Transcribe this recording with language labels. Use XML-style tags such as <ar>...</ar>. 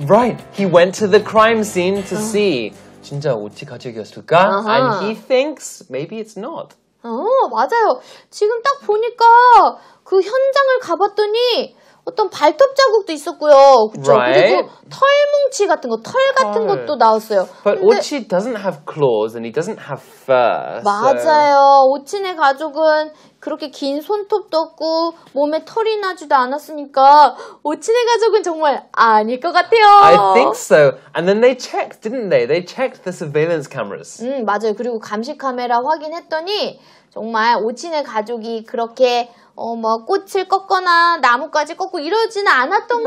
<en>Right, he went to the crime scene to see</en> <ko>진짜 오치 가족이었을까?</ko> <en>And he thinks maybe it's not.</en> <ko>맞아요. 지금 딱 보니까 그 현장을 가봤더니 어떤 발톱 자국도 있었고요. 그렇죠?</ko> <en>Right.</en> <ko>그리고 털뭉치 같은 거, 털 같은 것도 나왔어요.</ko> <en>But</en> <ko>근데...</ko> <en>Ochi doesn't have claws and he doesn't have fur.</en> <ko>맞아요.</ko> <en>So...</en> <ko>오치네 가족은 그렇게 긴 손톱도 없고 몸에 털이 나지도 않았으니까 오치네 가족은 정말 아닐 것 같아요.</ko> <en>I think so. And then they checked, didn't they? They checked the surveillance cameras.</en> <ko>맞아요. 그리고 감시 카메라 확인했더니 정말 오치네 가족이 그렇게 뭐 꽃을 꺾거나 나뭇가지 꺾고 이러지는 않았던</ko>